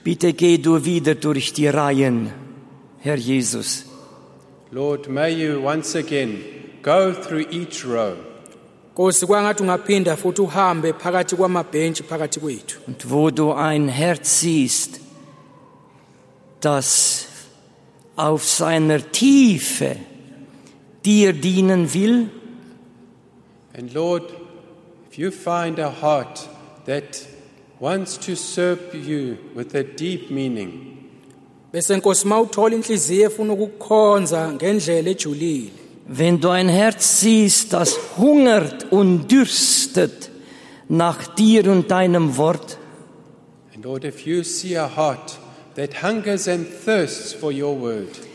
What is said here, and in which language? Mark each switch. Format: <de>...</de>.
<de>Bitte geh du wieder durch die Reihen, Herr Jesus.</de> <en>Lord, may you once again go through each row.</en> <zu>Nkosi kwangathi ungaphinda futhi uhambe phakathi kwamabhentshi phakathi kwethu.</zu> <de>Und wo du ein Herz siehst, das auf seiner Tiefe dir dienen will.</de> <en>And Lord, if you find a heart that wants to serve you with a deep meaning.</en> <de>Wenn du ein Herz siehst, das hungert und dürstet nach dir und deinem Wort.</de> <en>And Lord, if you see a heart that hungers and thirsts for your word.</en>